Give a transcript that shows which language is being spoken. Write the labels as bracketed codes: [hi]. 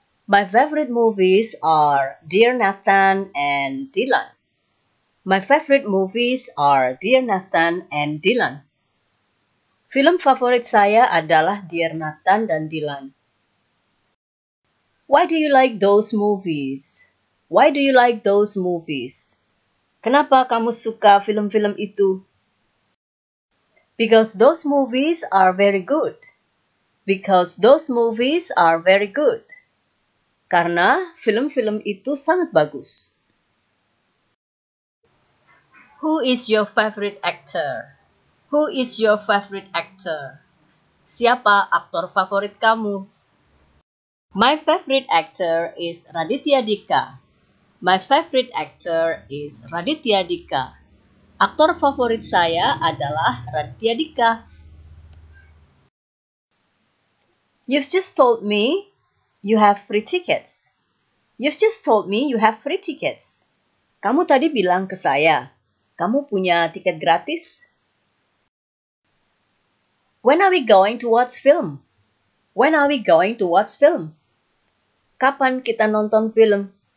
[en] My favorite movies are Dear Nathan and Dylan. My favorite movies are Dear Nathan and Dylan. [id] Film favorit saya adalah Dear Nathan dan Dylan. [en] Why do you like those movies? Why do you like those movies? [id] Kenapa kamu suka film-film itu? [en] Because those movies are very good. Because those movies are very good. [id] Karena film-film itu sangat bagus. [en] Who is your favorite actor? Who is your favorite actor? [id] Siapa aktor favorit kamu? [en] My favorite actor is Raditya Dika. My favorite actor is Raditya Dika. [id] Aktor favorit saya adalah Raditya Dika. [en] You've just told me you have free tickets. You've just told me you have free tickets. [id] Kamu tadi bilang ke saya, kamu punya tiket gratis? [en] When are we going to watch film? When are we going to watch film? [id] Kapan kita nonton film?